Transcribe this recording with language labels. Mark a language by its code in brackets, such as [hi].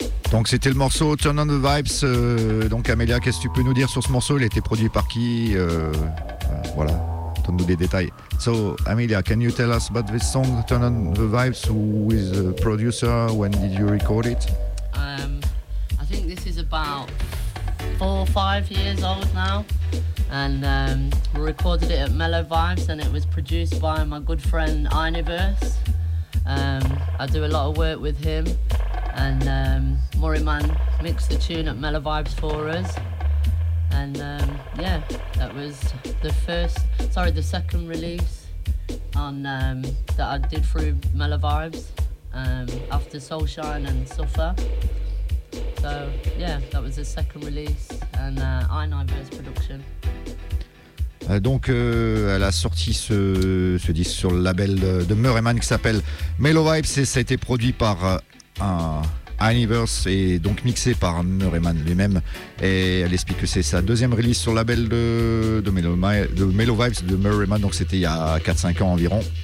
[fr] Donc c'était le morceau Turn on the Vibes. Donc Amélia, qu'est-ce que tu peux nous dire sur ce morceau? Il a été produit par qui? Voilà, donne-nous des détails. [en] So Amélia, can you tell us about this song Turn on the Vibes? Who is the producer? When did you record it? I think this is about 4 or 5 years old now, and we recorded it at Mellow Vibes, and it was produced by my good friend Iniverse. I do a lot of work with him, and Moriman mixed the tune at Mellow Vibes for us, and yeah, that was the second release on that I did through Mellow Vibes, after Soulshine and Suffer. So yeah, that was the second release, and Iniverse production. [fr] Donc, elle a sorti ce disque sur le label de Murrayman qui s'appelle Mellow Vibes, et ça a été produit par Iniverse et donc mixé par Murrayman lui-même. Et elle explique que c'est sa deuxième release sur le label de Mellow Vibes de Murrayman, donc c'était il y a 4-5 ans environ.